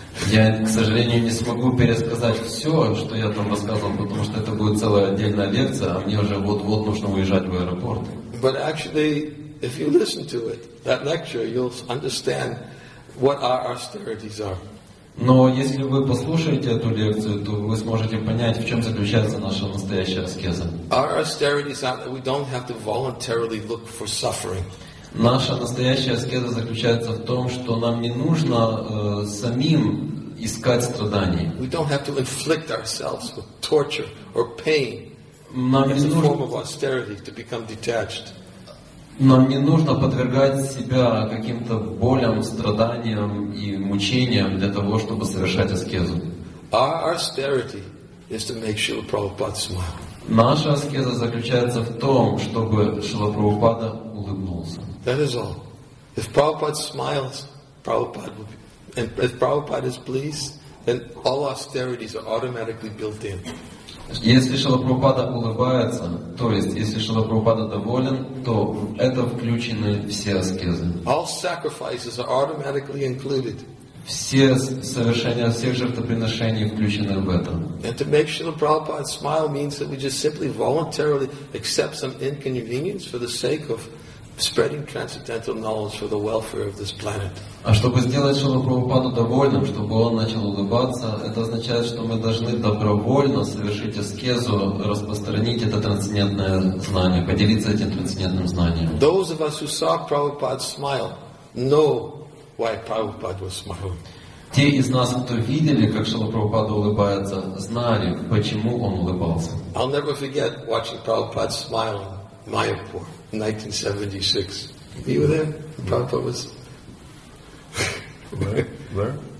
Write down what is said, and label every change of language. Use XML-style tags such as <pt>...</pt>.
<ru>Я, к сожалению, не смогу пересказать все, что я там рассказывал, потому что это будет целая отдельная лекция, а мне уже вот-вот нужно уезжать в аэропорт.</ru> <en>But actually, if you listen to it, that lecture, you'll understand what our austerities are.</en> <ru>Но если вы послушаете эту лекцию, то вы сможете понять, в чем заключается наша настоящая аскеза.</ru> <en>Our austerity is not that we don't have to voluntarily look for suffering.</en> <ru>Наша настоящая аскеза заключается в том, что нам не нужно самим искать страданий.</ru> <en>We don't have to inflict ourselves with torture or pain.</en> <ru>Нам не нужно</ru> <en>form of austerity to become detached.</en> <ru>Нам не нужно подвергать себя каким-то болям, страданиям и мучениям для того, чтобы совершать аскезу.</ru> <en>Our austerity is to make Srila Prabhupada smile.</en> <ru>Наша аскеза заключается в том, чтобы Шрила Прабхупада улыбнулся.</ru> <en>That is all. If Prabhupada smiles, Prabhupada will be. And if Prabhupada is pleased, then all austerities are automatically built in.</en> <ru>Если Шрила Прабхупада улыбается, то есть если Шрила Прабхупада доволен, то в это включены все аскезы.</ru> <en>All sacrifices are automatically included.</en> <ru>Все совершения всех жертвоприношений включены в это.</ru> <en>And to make Shrila Prabhupada smile means that we just simply voluntarily accept some inconvenience for the sake of spreading transcendental knowledge for the welfare of this planet.</en> <ru>А чтобы сделать Шрилу Прабхупаду довольным, чтобы он начал улыбаться, это означает, что мы должны добровольно совершить аскезу, распространить это трансцендентное знание, поделиться этим трансцендентным знанием.</ru> <en>Those of us who saw Prabhupada smile know why Prabhupada was smiling.</en> <ru>Те из нас, кто видели, как Шрила Прабхупада улыбается, знали, почему он улыбался.</ru> <en>I'll never forget watching Prabhupada smile in Mayapur, 1976. Were you there? Yeah. Prabhupada was... Where?</en>